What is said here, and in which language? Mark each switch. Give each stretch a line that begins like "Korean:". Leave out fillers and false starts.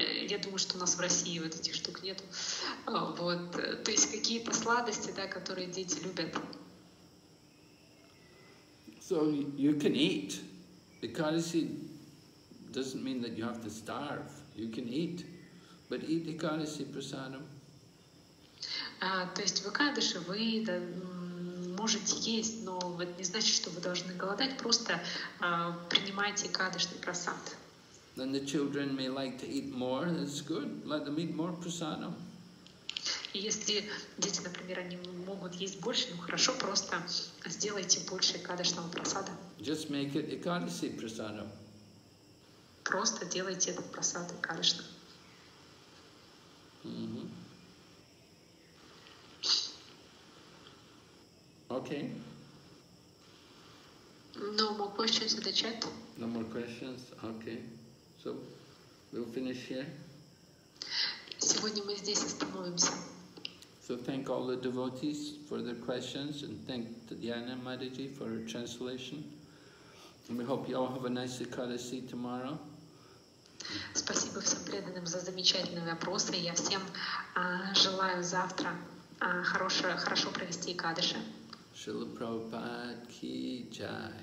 Russian: я думаю, что у нас в России вот этих штук нету. Вот. То есть какие-то сладости, да, которые дети любят.
English: So you can eat. Экалиси doesn't mean that you have to starve. You can eat. But eat экалиси прасадам.
Russian: То есть выкадыши вы да, можете есть, но это не значит, что вы должны голодать, просто принимайте экадышный прасад.
English: Then the children may like to eat more, that's good. Let them eat more prasadam.
Russian: Если дети, например, они могут есть больше, ну хорошо, просто сделайте больше экадышного прасада.
English: Just make it экадыши прасадам.
Russian: Просто делайте этот прасад экадышным.
English: Okay. No more questions in the chat. No more questions. Okay. So we'll finish here.
Russian: Сегодня мы здесь остановимся.
English: So thank all the devotees for their questions and thank Dhyana Madhiji for her translation. And we hope you all have a nice Ekadasi tomorrow.
Russian: Спасибо всем преданным за замечательные вопросы. Я всем желаю завтра хорошо провести Экадыши. Шрила Прабхупад ки джай.